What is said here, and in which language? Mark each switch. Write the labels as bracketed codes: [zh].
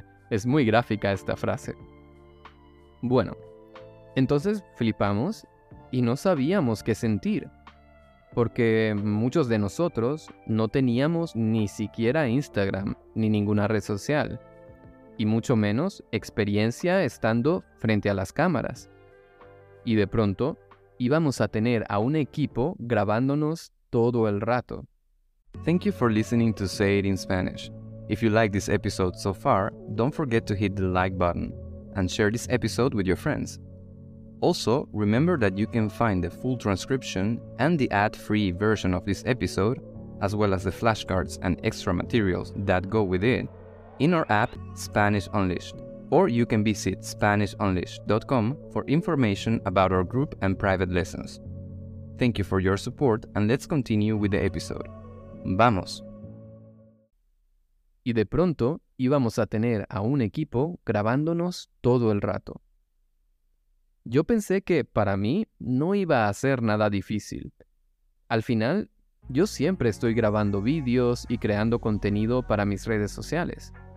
[es] Es muy gráfica esta frase. Bueno, entonces flipamos y no sabíamos qué sentir, porque muchos de nosotros no teníamos ni siquiera Instagram ni ninguna red social, y mucho menos experiencia estando frente a las cámaras. Y de pronto íbamos a tener a un equipo grabándonos todo el rato. [en] Thank you for listening to Say It in Spanish. If you like this episode so far, don't forget to hit the like button and share this episode with your friends. Also, remember that you can find the full transcription and the ad-free version of this episode, as well as the flashcards and extra materials that go with it, in our app Spanish Unleashed, or you can visit SpanishUnleashed.com for information about our group and private lessons. Thank you for your support, and let's continue with the episode. [es] ¡Vamos! Y de pronto íbamos a tener a un equipo grabándonos todo el rato. Yo pensé que para mí no iba a ser nada difícil. Al final, yo siempre estoy grabando vídeos y creando contenido para mis redes sociales.